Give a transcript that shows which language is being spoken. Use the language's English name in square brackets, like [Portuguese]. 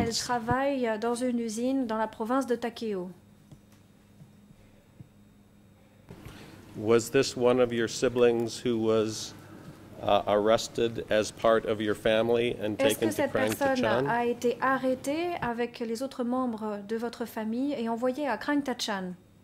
[French] Elle travaille dans une usine dans la province de Takao. [English] Was this one of your siblings who was arrested as part of your family and taken to Krang Ta-Chan? [French] Est-ce que cette personne a été arrêtée avec les autres membres de votre famille et envoyée à Krang Ta-Chan?